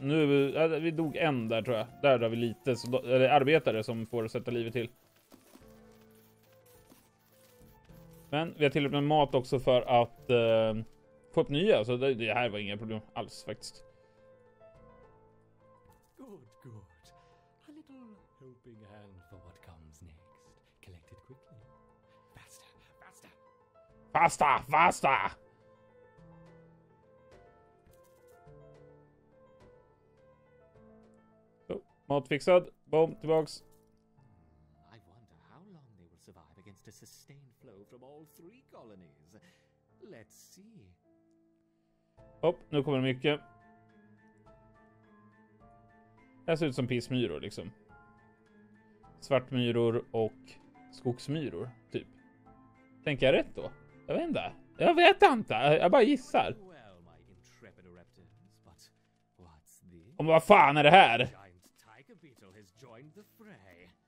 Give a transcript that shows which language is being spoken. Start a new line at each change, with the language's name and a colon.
Swedish: Nu är vi dog en där tror jag. Där har vi lite så eller arbetare som får sätta livet till. Men vi har tillräckligt med mat också för att få upp nya, så det här var inga problem alls faktiskt.
English: Good, good. A little helping hand for what comes next. Collect it quickly. Faster, faster. Faster, faster.
Swedish: Så, mat fixad. Boom, tillbaks.
English: I wonder how long they will survive against a sustained from all three colonies. Let's see.
Swedish: Hopp, nu kommer det mycket. Det ser ut som pissmyror liksom. Svartmyror och skogsmyror typ. Tänker jag rätt då? Jag vet inte. Jag vet inte. Jag bara gissar.
English: Well, my intrepid raptors, but what's this?
Swedish: Men vad fan är det här?
English: Giant tiger beetle has joined the fray.